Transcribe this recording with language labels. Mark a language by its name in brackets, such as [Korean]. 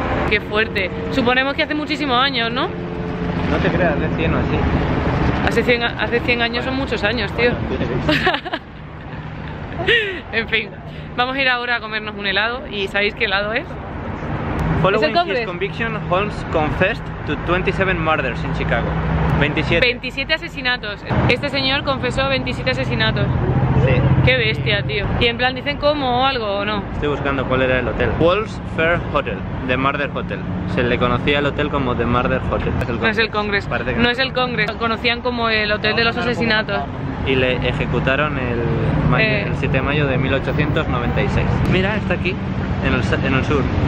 [Spanish] Qué fuerte. Suponemos que hace muchísimos años, ¿no? No te creas, hace 100 o así. Hace 100 años, bueno, son muchos años, tío. Bueno, en fin, vamos a ir ahora a comernos un helado. ¿Y sabéis qué helado es? [English] Following his conviction, Holmes confessed to 27 murders in Chicago. [Spanish] 27. 27 asesinatos. Este señor confesó 27 asesinatos. Sí. Qué bestia, tío. Y en plan, ¿dicen cómo o algo o no? Estoy buscando cuál era el hotel. [English] Wolf's Fair Hotel, The Murder Hotel. [Spanish] Se le conocía el hotel como The Murder Hotel. No es el Congress. Lo conocían como el hotel de los asesinatos. Y le ejecutaron el 7 de mayo de 1896. Mira, está aquí, en el sur.